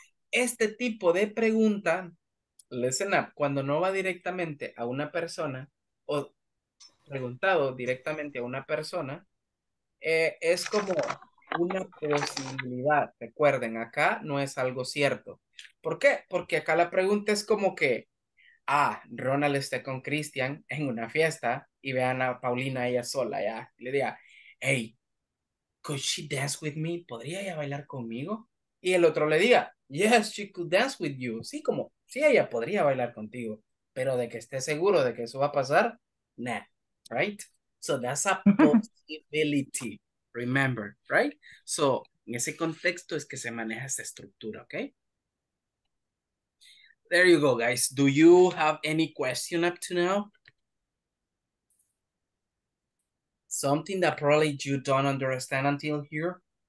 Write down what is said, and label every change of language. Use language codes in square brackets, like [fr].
[es] Este tipo de pregunta, [en] listen up, [es] cuando no va directamente a una persona o preguntado directamente a una persona, es como una posibilidad. Recuerden, acá no es algo cierto. ¿Por qué? Porque acá la pregunta es como que, ah, Ronald esté con Christian en una fiesta y vean a Paulina ella sola, ya. Y le diga, [en] hey, could she dance with me? [es] ¿Podría ella bailar conmigo? Y el otro le diga, [en] yes, she could dance with you. [es] Sí, como, sí, ella podría bailar contigo. Pero de que esté seguro de que eso va a pasar, nah, right? [en] So that's a possibility, remember, right? [es] So, en ese contexto es que se maneja esta estructura, okay? [en] There you go, guys. Do you have any question up to now? Something that probably you don't understand until here?